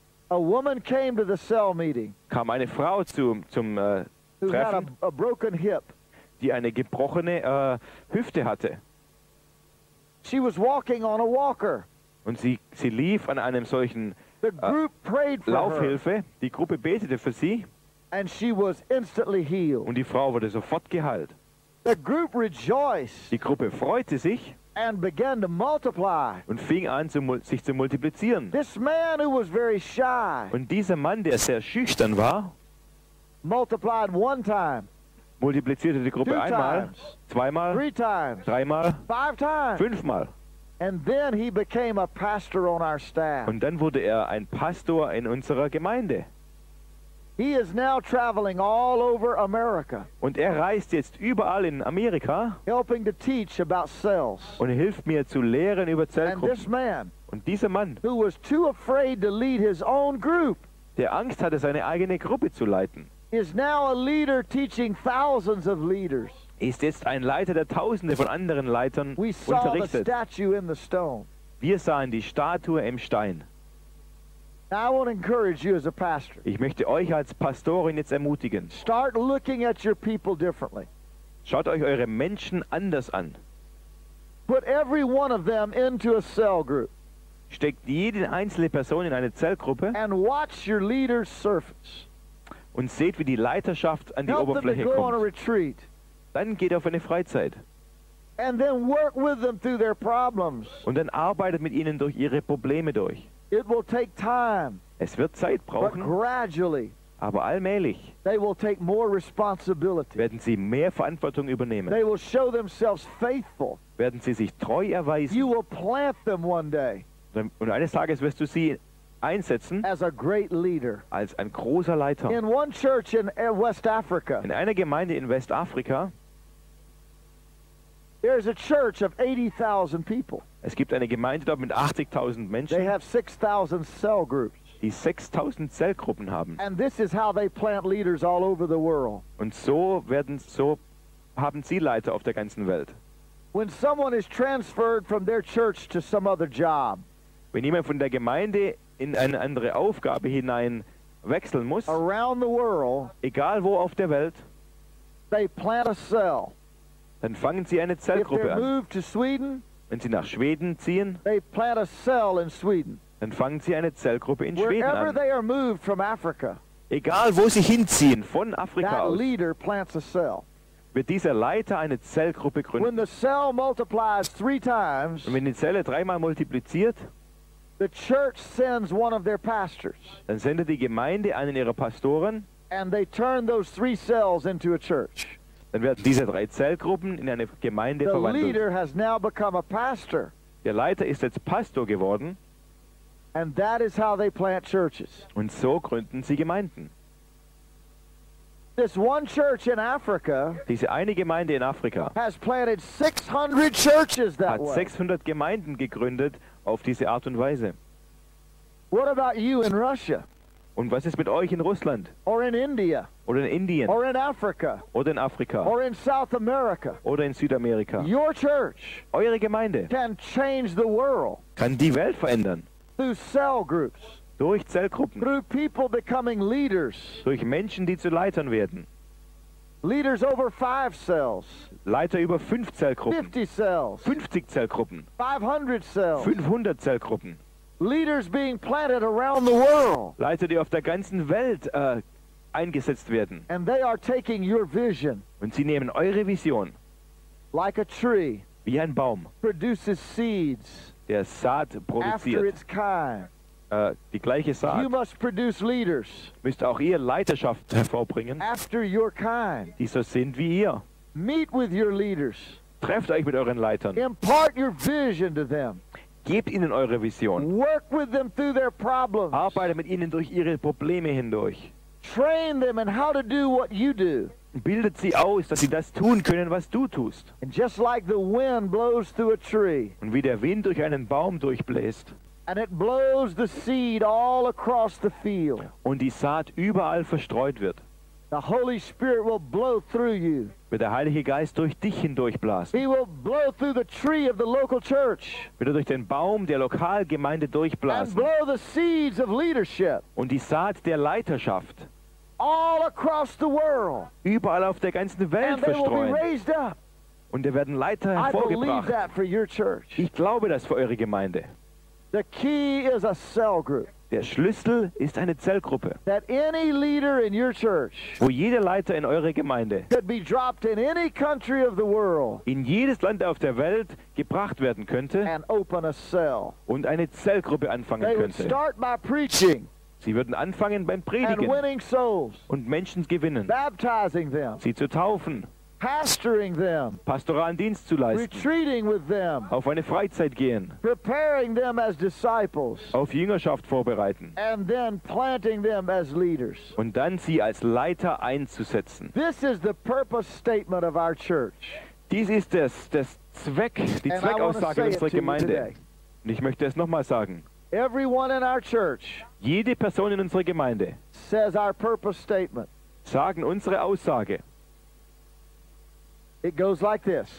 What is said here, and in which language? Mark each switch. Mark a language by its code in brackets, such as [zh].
[en] a woman came to the cell meeting, [de] kam eine Frau zum Treffen, [en] had a broken hip. [de] Die eine gebrochene Hüfte hatte. [en] She was walking on a walker. [de] Und sie lief an einem solchen [en] the group prayed for [de] Laufhilfe. [en] Her. [de] Die Gruppe betete für sie. [en] And she was instantly healed. [de] Und die Frau wurde sofort geheilt. [en] The group rejoiced. [de] Die Gruppe freute sich. [en] And began to multiply. [de] Und fing an, sich zu multiplizieren. [en] This man who was very shy. [de] Und dieser Mann, der sehr schüchtern war, [en] multiplied one time. [de] Multiplizierte die Gruppe einmal, zweimal, [en] three times, [de] dreimal, [en] five times. [de] Fünfmal. [en] And then he became a pastor on our staff. [de] Und dann wurde er ein Pastor in unserer Gemeinde. [en] He is now traveling all over America. [de] Und er reist jetzt überall in Amerika. [en] Helping to teach about cells. [de] Und hilft mir zu lehren über Zellgruppen. [en] And this man, [de] und dieser Mann, [en] who was too afraid to lead his own group, [de] der Angst hatte, seine eigene Gruppe zu leiten, [en] is now a leader teaching thousands of leaders. [de] Ist jetzt ein Leiter, der Tausende von anderen Leitern [en] we saw [de] unterrichtet. [en] The statue in the stone. [de] Wir sahen die Statue im Stein. [en] I want to encourage you as a pastor. [de] Ich möchte euch als Pastorin jetzt ermutigen. [en] Start looking at your people differently. [de] Schaut euch eure Menschen anders an. [en] Put every one of them into a cell group. [de] Steckt jede einzelne Person in eine Zellgruppe. [en] And watch your leader's surface. [de] Und seht, wie die Leiterschaft an [en] help [de] die Oberfläche [en] them to go [de] kommt. [en] On a retreat. [de] Dann geht auf eine Freizeit. [en] And then work with them through their problems. [de] Und dann arbeitet mit ihnen durch ihre Probleme durch. [en] It will take time. [de] Es wird Zeit brauchen. [en] But gradually, [de] Aber allmählich [en] they will take more responsibility. [de] Werden sie mehr Verantwortung übernehmen. [en] They will show themselves faithful. [de] Werden sie sich treu erweisen. [en] You will plant them one day. [de] Und eines Tages wirst du sie einsetzen [en] as a great leader. [de] Als ein großer Leiter. [en] In one church in West Africa. [de] In einer Gemeinde in Westafrika. [en] There is a church of 80,000 people. [de] Es gibt eine Gemeinde dort mit 80,000 Menschen. [en] They have 6,000 cell groups. [de] Die 6,000 Zellgruppen haben. [en] And this is how they plant leaders all over the world. [de] Und so werden so haben sie Leiter auf der ganzen Welt. [en] When someone is transferred from their church to some other job. [de] Wenn jemand von der Gemeinde in eine andere Aufgabe hinein wechseln muss. [en] Around the world. [de] Egal wo auf der Welt. [en] They plant a cell. [de] Dann fangen sie eine Zellgruppe an. Wenn sie nach Schweden ziehen, [en] they plant a cell in Sweden. [de] Dann fangen sie eine Zellgruppe in [en] Wherever [de] Schweden an. [en] They are moved from Africa, [de] egal wo sie hinziehen, von Afrika [en] that [de] aus, [en] leader plants a cell. [de] Wird dieser Leiter eine Zellgruppe gründen. [en] When the cell multiplies three times, [de] und wenn die Zelle dreimal multipliziert, [en] the church sends one of their pastors, [de] dann sendet die Gemeinde einen ihrer Pastoren [en] and they turn those three cells into a church. [de] Dann werden diese drei Zellgruppen in eine Gemeinde [en] the [de] verwandelt. [en] Leader has now become a pastor. [de] Der Leiter ist jetzt Pastor geworden. [en] And that is how they plant churches. [de] Und so gründen sie Gemeinden. [en] This one church in Africa [de] diese eine Gemeinde in Afrika [en] has planted 600 churches that [de] hat 600 [en] way. [de] Gemeinden gegründet auf diese Art und Weise. [en] What about you in Russia? [de] Und was ist mit euch in Russland? [en] Or in India? [de] Oder in Indien? [en] Or in Africa? [de] Oder in Afrika? [en] Or in South America? [de] Oder in Südamerika? [en] Your church [de] eure Gemeinde [en] can change the world [de] kann die Welt verändern. [en] Through cell groups. [de] Durch Zellgruppen. [en] Through people becoming leaders. [de] Durch Menschen, die zu Leitern werden. [en] Leaders over 5 cells. [de] Leiter über 5 Zellgruppen. [en] 50 cells. [de] 50 Zellgruppen. [en] 500 cells. [de] 500 Zellgruppen. [en] Leaders being planted around the world. [de] Leiter, die auf der ganzen Welt eingesetzt werden. [en] And they are taking your vision. [de] Und sie nehmen eure Vision. [en] Like a tree. [de] Wie ein Baum. [en] Produces seeds. [de] Der Saat produziert. [en] After its kind. [de] Die gleiche Saat. [en] You must produce leaders. [de] Müsst auch ihr Leiterschaft hervorbringen. [en] After your kind. [de] Die so sind wie ihr. [en] Meet with your leaders. [de] Trefft euch mit euren Leitern. [en] Impart your vision to them. [de] Gebt ihnen eure Vision. [en] Work with them through their problems. [de] Arbeitet mit ihnen durch ihre Probleme hindurch. [en] Train them in how to do what you do. [de] Bildet sie aus, dass sie das tun können, was du tust. [en] And just like the wind blows through a tree. [de] Und wie der Wind durch einen Baum durchbläst. [en] And it blows the seed all across the field. [de] Und die Saat überall verstreut wird. [en] The Holy Spirit will blow through you. [de] Wird der Heilige Geist durch dich hindurchblasen. [en] He will blow through the tree of the local church. [de] Wird er durch den Baum der Lokalgemeinde durchblasen. [en] And blow the seeds of leadership. [de] Und die Saat der Leiterschaft. [en] All across the world. [de] Überall auf der ganzen Welt [en] and they [de] verstreuen. [en] Will be raised up. [de] Und da werden Leiter hervorgebracht. [en] I believe that for your church. [de] Ich glaube das für eure Gemeinde. [en] The key is a cell group. [de] Der Schlüssel ist eine Zellgruppe. [en] That any leader in your church [de] wo jeder Leiter in eurer Gemeinde [en] could be dropped in any country of the world [de] in jedes Land auf der Welt gebracht werden könnte [en] and open a cell. [de] Und eine Zellgruppe anfangen [en] they [de] könnte. [en] They would start by preaching. [de] Sie würden anfangen beim Predigen [en] and winning souls. [de] Und Menschen gewinnen. [en] Baptizing them. [de] Sie zu taufen. [en] Pastoring them. [de] Pastoralen Dienst zu leisten. [en] Retreating with them. [de] Auf eine Freizeit gehen. [en] Preparing them as disciples. [de] Auf Jüngerschaft vorbereiten. [en] And then planting them as leaders. [de] Und dann sie als Leiter einzusetzen. [en] This is the purpose statement of our church. [de] Dies ist das Zweck, die Zweckaussage unserer Gemeinde. Und ich möchte es nochmal sagen. [en] Everyone in our church. [de] Jede Person in unserer Gemeinde. [en] Says our purpose statement. [de] Sagen unsere Aussage. [en] It goes like this.